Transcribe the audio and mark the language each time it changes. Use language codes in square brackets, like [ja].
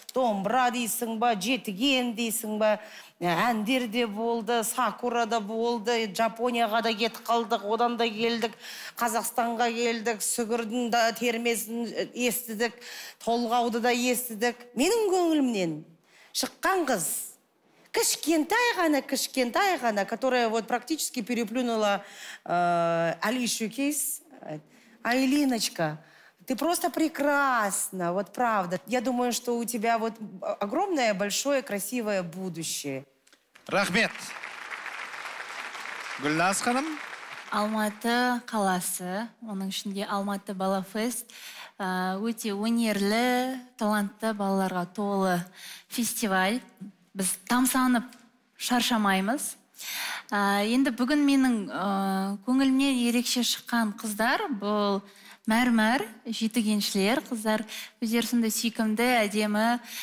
[kk] Домбыра дейсің ба, жетіген дейсің ба, әндер де болды, сакура да болды, Жапонияға да кетіп қалдық, одан да келдік, Қазақстанға келдік, сүгірдің да термесін естідік, толғауды да естідік. Менің көңілімнен шыққан қыз, кішкентай ғана, кішкентай ғана, [ru] которая вот практически переплюнула [kk] Али Шукейс. [ru] Айлиночка, ты просто прекрасна, вот правда. Я думаю, что у тебя вот огромное, большое, красивое будущее. [kk] Рахмет. Гүлназ ханым. Алматы қаласы, оның ішінде Алматы Балафест, өте өнерлі, талантты балаларға толы фестиваль. Біз тамсанып шаршамаймыз. Енді бүгін менің көңілімнен ерекше шыққан қыздар, бұл мәр-мәр, жетігеншілер қыздар, өздерісінде сүйкімді, әдемі.